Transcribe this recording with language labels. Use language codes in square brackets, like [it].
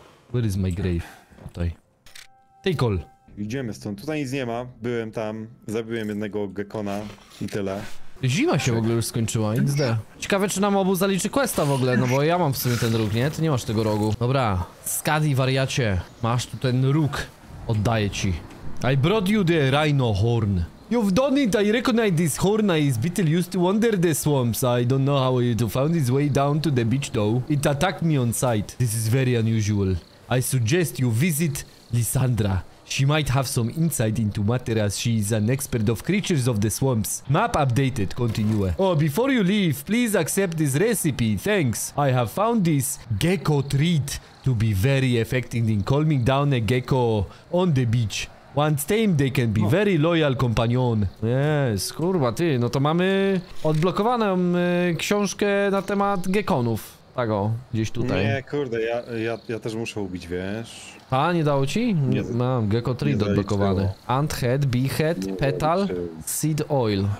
[en] Where is my grave? [pl] Tutaj. Tykol! Idziemy stąd, tutaj nic nie ma. Byłem tam, zabiłem jednego Gekona i tyle. Zima się w ogóle już skończyła, XD. Ciekawe, czy nam obu zaliczy questa w ogóle, no bo ja mam w sumie ten róg, nie? Ty nie masz tego rogu. Dobra, Skadi, wariacie, masz tu ten róg. Oddaję ci. [en] I brought you the rhino horn. You've done it, I recognize this horn, I is beetle used to wander the swamps. I don't know how it found its way down to the beach though. It attacked me on sight. This is very unusual. I suggest you visit Lysandra. She might have some insight into matter as she is an expert of creatures of the swamps. Map updated, continue. Oh, before you leave, please accept this recipe, thanks. I have found this gecko treat to be very effective in calming down a gecko on the beach. Once tamed, they can be very loyal companion. [pl] Yes, kurwa ty, no to mamy odblokowaną książkę na temat gekonów. Tak o, gdzieś tutaj. Nie, kurde, ja też muszę ubić, wiesz. A, nie dało ci? Nie. Mam gecko treat odblokowany. Anthead, behead, petal, seed oil.